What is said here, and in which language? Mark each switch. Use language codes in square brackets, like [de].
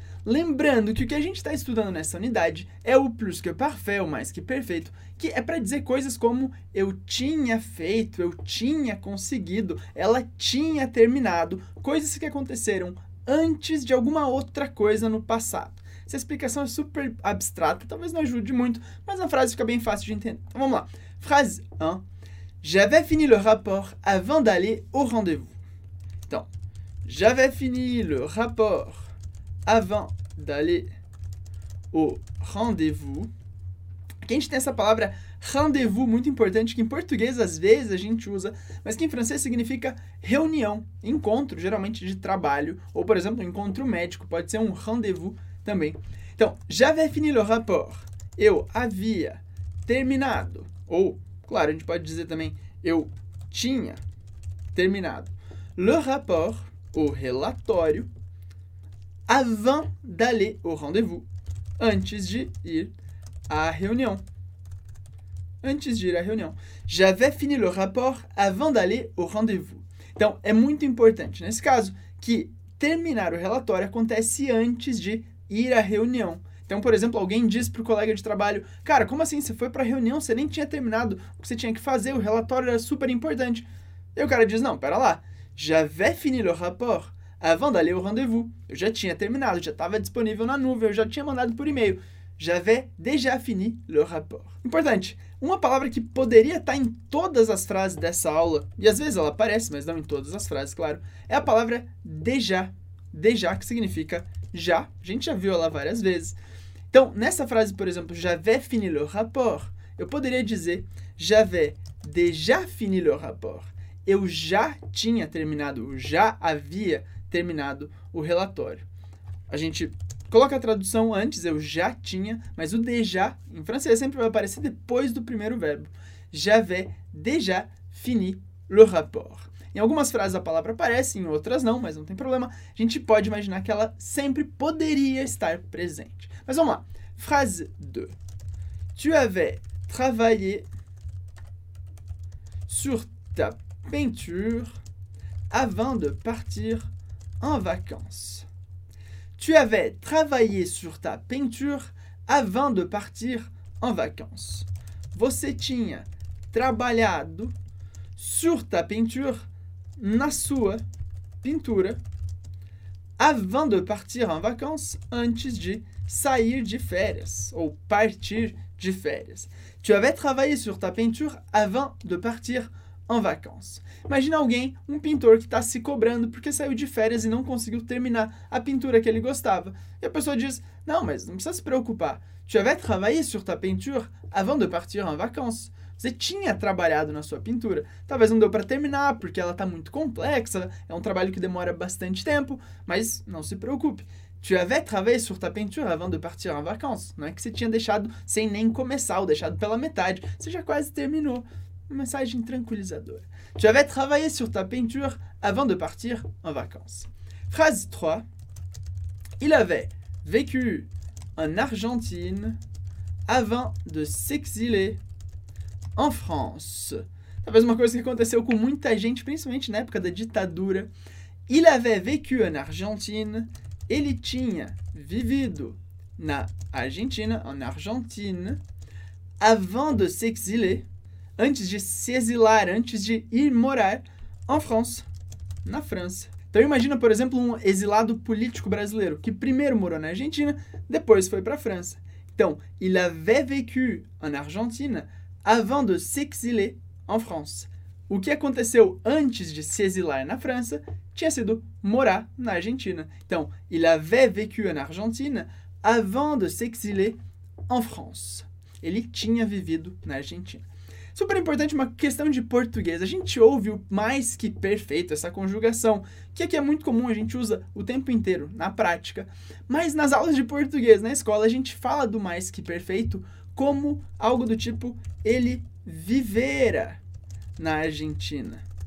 [pt] Lembrando que o que a gente está estudando nessa unidade é o plus que parfait, o mais que perfeito, que é para dizer coisas como eu tinha feito, eu tinha conseguido, ela tinha terminado, coisas que aconteceram antes de alguma outra coisa no passado. Essa explicação é super abstrata, talvez não ajude muito, mas a frase fica bem fácil de entender. Então vamos lá. Frase 1. [fr] J'avais fini le rapport avant d'aller au rendez-vous. [pt] Então, [fr] j'avais fini le rapport avant d'aller au rendez-vous. [pt] Aqui a gente tem essa palavra rendez-vous muito importante, que em português às vezes a gente usa, mas que em francês significa reunião, encontro, geralmente de trabalho, ou por exemplo, um encontro médico, pode ser um rendez-vous também. Então, [fr] j'avais fini le rapport, [pt] eu havia terminado, ou, claro, a gente pode dizer também, eu tinha terminado, [fr] le rapport, [pt] o relatório, [fr] avant d'aller au rendez-vous, [pt] antes de ir à reunião. Antes de ir à reunião. [fr] J'avais fini le rapport avant d'aller au rendez-vous. [pt] Então, é muito importante, nesse caso, que terminar o relatório acontece antes de ir à reunião. Então, por exemplo, alguém diz para o colega de trabalho, cara, como assim? Você foi para a reunião, você nem tinha terminado o que você tinha que fazer, o relatório era super importante. E o cara diz, não, pera lá. [fr] J'avais fini le rapport avant d'aller au rendez-vous. [pt] Eu já tinha terminado, já estava disponível na nuvem, eu já tinha mandado por e-mail. [fr] J'avais déjà fini le rapport. [pt] Importante, uma palavra que poderia estar em todas as frases dessa aula, e às vezes ela aparece, mas não em todas as frases, claro, é a palavra déjà. Déjà, que significa já. A gente já viu ela várias vezes. Então, nessa frase, por exemplo, [fr] j'avais fini le rapport, [pt] eu poderia dizer [fr] j'avais déjà fini le rapport. [pt] Eu já tinha terminado, eu já havia terminado o relatório. A gente coloca a tradução antes, eu já tinha, mas o déjà em francês sempre vai aparecer depois do primeiro verbo. [fr] J'avais déjà fini le rapport. [pt] Em algumas frases a palavra aparece, em outras não, mas não tem problema. A gente pode imaginar que ela sempre poderia estar presente. Mas vamos lá. Frase 2. [fr] Tu avais travaillé sur ta peinture avant de partir en vacances. Tu avais travaillé sur ta peinture avant de partir en vacances. [pt] Você tinha trabalhado [fr] sur ta peinture, [pt] na sua pintura, [fr] avant de partir en vacances, [pt] antes de sair de férias, ou partir de férias. [fr] Tu avais travaillé sur ta peinture avant de partir en vacances. [pt] Imagina alguém, um pintor que está se cobrando porque saiu de férias e não conseguiu terminar a pintura que ele gostava. E a pessoa diz, não, mas não precisa se preocupar. [fr] Tu avais travaillé sur ta peinture avant de partir en vacances. [pt] Você tinha trabalhado na sua pintura. Talvez não deu para terminar porque ela está muito complexa, é um trabalho que demora bastante tempo, mas não se preocupe. [fr] Tu avais travaillé sur ta peinture avant de partir en vacances. [pt] Não é que você tinha deixado sem nem começar ou deixado pela metade. Você já quase terminou. Uma mensagem tranquilizadora. [fr] Tu avais travaillé sur ta peinture avant de partir en vacances. [en] Phrase 3. [fr] Il avait vécu en Argentine avant de s'exiler en France. [pt] Talvez uma coisa que aconteceu com muita gente, principalmente na época da ditadura. [fr] Il avait vécu en Argentine. [pt] Ele tinha vivido na Argentina, en Argentine, [fr] avant de s'exiler. [pt] Antes de se exilar, antes de ir morar [fr] en France, [pt] na França. Então imagina, por exemplo, um exilado político brasileiro que primeiro morou na Argentina, depois foi para a França. [fr] Donc, il avait vécu en Argentine avant de s'exiler en France. [pt] O que aconteceu antes de se exilar na França tinha sido morar na Argentina. Então, [fr] il avait vécu en Argentine avant de s'exiler en France. [pt] Ele tinha vivido na Argentina. Super importante uma questão de português. A gente ouve o mais que perfeito, essa conjugação, que aqui é muito comum, a gente usa o tempo inteiro na prática. Mas nas aulas de português na escola, a gente fala do mais que perfeito como algo do tipo ele vivera na Argentina.